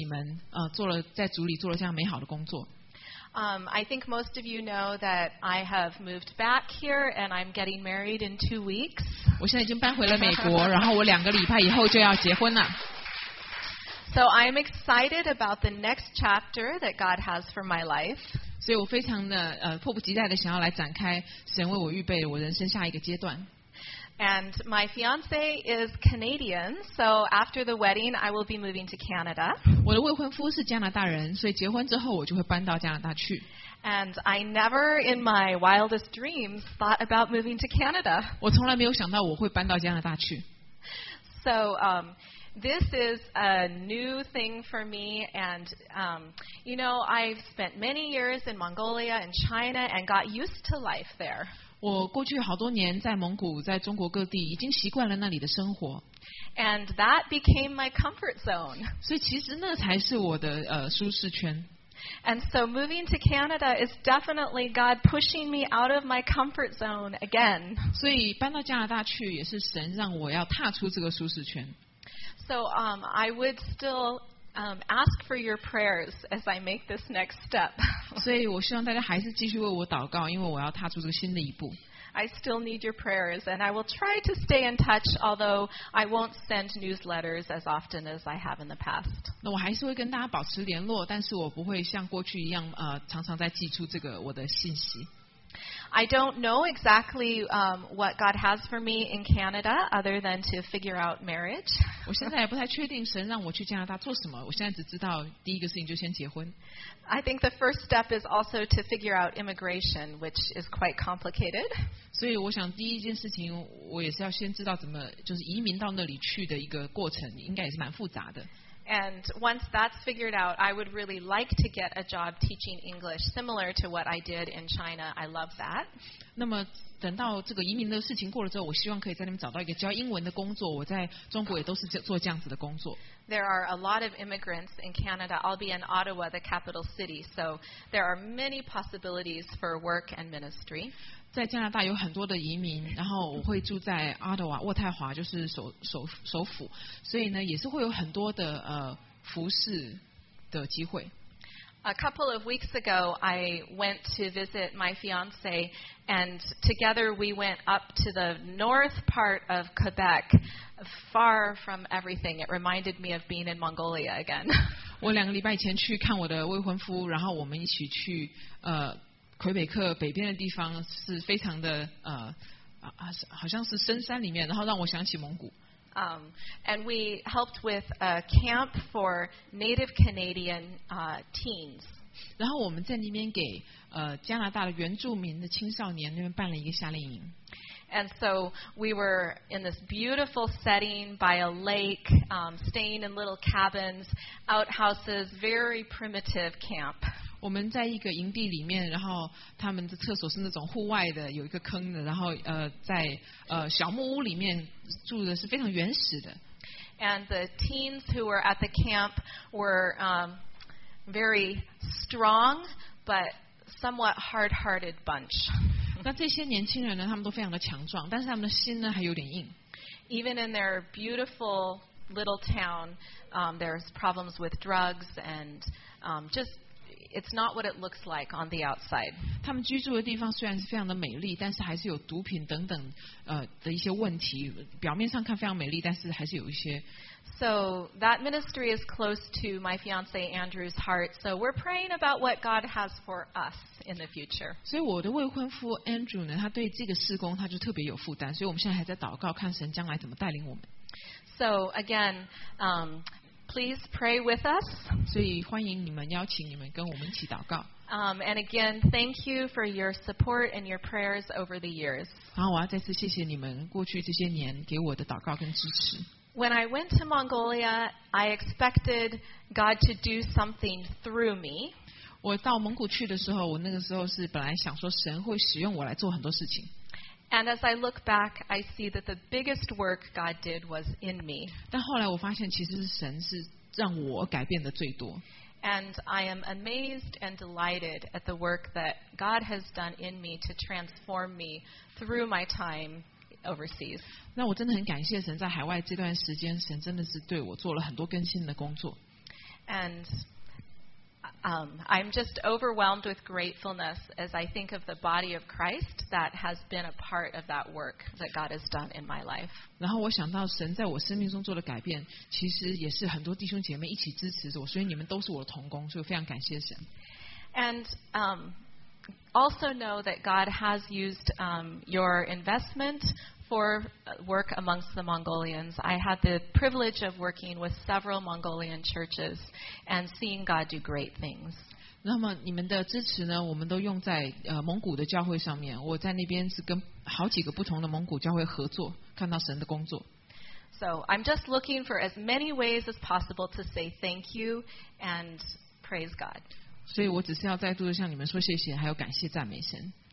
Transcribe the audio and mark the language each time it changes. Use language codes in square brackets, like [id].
[zh] 们做了在主里做了这样美好的工作。 [en] I think most of you know that I have moved back here and I'm getting married in 2 weeks. [zh] 我现在已经搬回了美国，然后我两个礼拜以后就要结婚了。 [en] So I'm excited about the next chapter that God has for my life. [zh] 所以我非常的迫不及待的想要来展开神为我预备我人生下一个阶段。 [en] And my fiance is Canadian, so after the wedding, I will be moving to Canada. [zh] 我的未婚夫是加拿大人，所以结婚之后我就会搬到加拿大去。 [en] And I never in my wildest dreams thought about moving to Canada. [zh] 我从来没有想到我会搬到加拿大去。 [en] So, this is a new thing for me, and you know, I've spent many years in Mongolia and China and got used to life there. [zh] 我过去好多年在蒙古，在中国各地，已经习惯了那里的生活。 [en] And that became my comfort zone. [zh] 所以其实那才是我的舒适圈。 [en] And so moving to Canada is definitely God pushing me out of my comfort zone again. [zh] 所以搬到加拿大去也是神让我要踏出这个舒适圈。 [en] So I would still ask for your prayers as I make this next step. [zh] 所以我希望大家还是继续为我祷告，因为我要踏出这个新的一步。 [en] I still need your prayers, and I will try to stay in touch, although I won't send newsletters as often as I have in the past. [zh] 那我还是会跟大家保持联络，但是我不会像过去一样常常在寄出这个我的信息。 [en] I don't know exactly what God has for me in Canada, other than to figure out marriage. [zh] 我现在也不太确定神让我去加拿大做什么。我现在只知道第一个事情就先结婚。 [en] I think the first step is also to figure out immigration, which is quite complicated. [zh] 所以我想第一件事情，我也是要先知道怎么就是移民到那里去的一个过程，应该也是蛮复杂的。 [en] And once that's figured out, I would really like to get a job teaching English, similar to what I did in China. I love that. [zh] 那么等到这个移民的事情过了之后，我希望可以在那边找到一个教英文的工作。我在中国也都是做这样子的工作。 [en] There are a lot of immigrants in Canada. I'll be in Ottawa, the capital city, so there are many possibilities for work and ministry. [zh] 在加拿大有很多的移民，然后我会住在 Ottawa, 渥太华就是首府，所以呢也是会有很多的服事的机会。 [en] A couple of weeks ago, I went to visit my fiance, and together we went up to the north part of Quebec, far from everything. It reminded me of being in Mongolia again. [zh] 我两个礼拜前去看我的未婚夫，然后我们一起去魁北克北边的地方，是非常的好像是深山里面，然后让我想起蒙古。 [en] And we helped with a camp for Native Canadian teens. [zh] 然后我们在那边给加拿大的原住民的青少年那边办了一个夏令营。 [en] And so we were in this beautiful setting by a lake, staying in little cabins, outhouses, very primitive camp. [zh] 我们在一个营地里面，然后他们的厕所是那种户外的，有一个坑的，然后在小木屋里面住的是非常原始的。 [en] And the teens who were at the camp were very strong, but somewhat hard-hearted bunch. [zh] 那这些年轻人呢，他们都非常的强壮，但是他们的心呢还有点硬。 [en] Even in their beautiful little town, there's problems with drugs and just it's not what it looks like on the outside. [zh] 他们居住的地方虽然是非常的美丽，但是还是有毒品等等的一些问题。表面上看非常美丽，但是还是有一些。 [en] So that ministry is close to my fiance Andrew's heart. So we're praying about what God has for us in the future. [zh] 所以我的未婚夫 Andrew 呢，他对这个事工他就特别有负担，所以我们现在还在祷告，看神将来怎么带领我们。 [en] So again, please pray with us. [zh] 所以欢迎你们，邀请你们跟我们一起祷告。 [en] And again, thank you for your support and your prayers over the years. [zh] 然后我要再次谢谢你们过去这些年给我的祷告跟支持。 [en] When I went to Mongolia, I expected God to do something through me. [zh] 我到蒙古去的时候，我那个时候是本来想说神会使用我来做很多事情。 [en] And as I look back, I see that the biggest work God did was in me. [zh] 但后来我发现其实是神是让我改变的最多。 [en] And I am amazed and delighted at the work that God has done in me to transform me through my time overseas. [zh] 那我真的很感谢神，在海外这段时间，神真的是对我做了很多更新的工作。 [en] And I'm just overwhelmed with gratefulness as I think of the body of Christ that has been a part of that work that God has done in my life. [zh] 然后我想到神在我生命中做的改变，其实也是很多弟兄姐妹一起支持着我，所以你们都是我的同工，所以非常感谢神。 [en] And also know that God has used your investment for work amongst the Mongolians. I had the privilege of working with several Mongolian churches and seeing God do great things. [zh] 那么你们的支持呢？我们都用在蒙古的教会上面。我在那边是跟好几个不同的蒙古教会合作，看到神的工作。 [en] So I'm just looking for as many ways as possible to say thank you and praise God. [zh] 所以我只是要再度的向你们说谢谢，还有感谢赞美神。